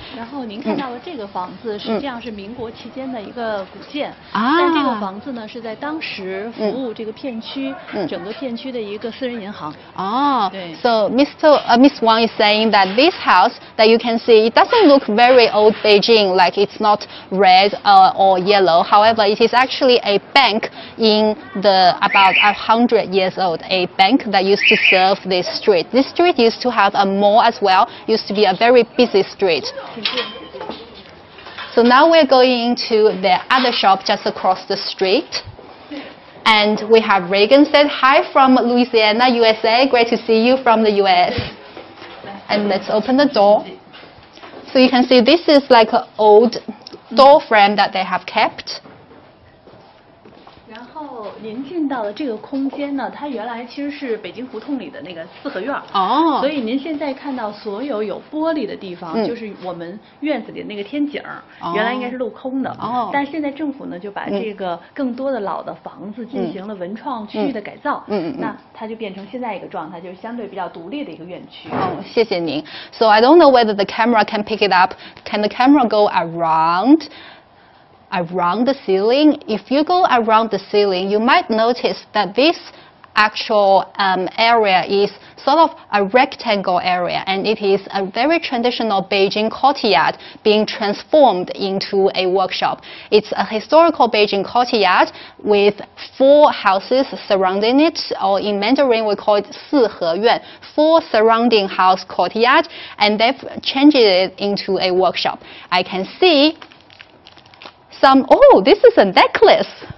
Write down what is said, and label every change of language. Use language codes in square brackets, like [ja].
[zh] 然后您看到的这个房子实际上是民国期间的一个古建啊、但这个房子呢是在当时服务这个片区、整个片区的一个私人银行哦、对 [en] So Miss Wang is saying that this house that you can see it doesn't look very old Beijing like it's not red or yellow however it is actually a bank in the about 100 years old a bank that used to serve this street used to have a mall as well used to be a very busy streetSo now we're going to the other shop just across the street. And we have Reagan said, hi from Louisiana, USA. Great to see you from the US. And let's open the door. So you can see this is like an old door frame that they have kept. [zh] 您进到的这个空间呢它原来其实是北京胡同里的那个四合院哦、oh. 所以您现在看到所有有玻璃的地方、就是我们院子里那个天井、原来应该是镂空的哦、oh. 但现在政府呢就把这个更多的老的房子进行了文创区域的改造嗯那它就变成现在一个状态就是相对比较独立的一个院区 [en] 哦、oh, [zh] 谢谢您 [en] So I don't know whether the camera can pick it up Can the camera go around the ceiling if you go around the ceiling you might notice that this actual area is sort of a rectangle area and it is a very traditional Beijing courtyard being transformed into a workshop it's a historical Beijing courtyard with four houses surrounding it or in Mandarin we call it 四合院 four surrounding house courtyard and they've changed it into a workshop I can seeSome, oh, this is a necklace.